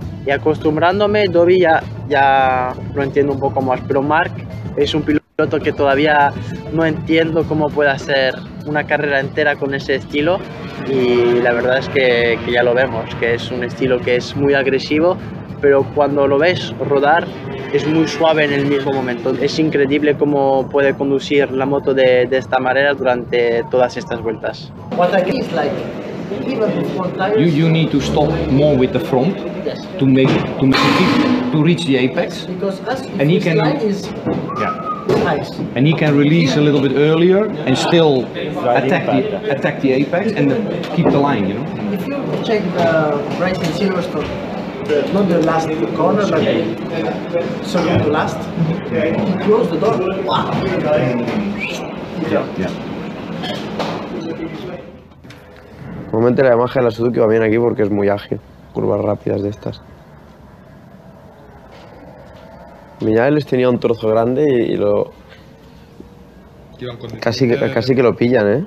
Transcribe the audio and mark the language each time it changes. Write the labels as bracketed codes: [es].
[es] Y acostumbrándome, Dovi ya lo entiendo un poco más, pero Marc es un piloto que todavía no entiendo cómo puede hacer una carrera entera con ese estilo. y la verdad es que ya lo vemos, que es un estilo que es muy agresivo, pero cuando lo ves rodar es muy suave en el mismo momento. Es increíble cómo puede conducir la moto de esta manera durante todas estas vueltas. [en] What I guess like, even with four tires, you need to stop more with the front. Yes. To reach the apex. Yes, because as you can, is, yeah. Nice. And he can release a little bit earlier and still attack the apex and the, keep the line, you know? If you check the race in Silverstone, not the last corner, but the second to last, he closed the door, wow! Yeah. [es] Normalmente la imagen de la Suzuki va bien aquí porque es muy ágil, curvas rápidas de estas. Miñales tenía un trozo grande y lo... casi que lo pillan, ¿eh?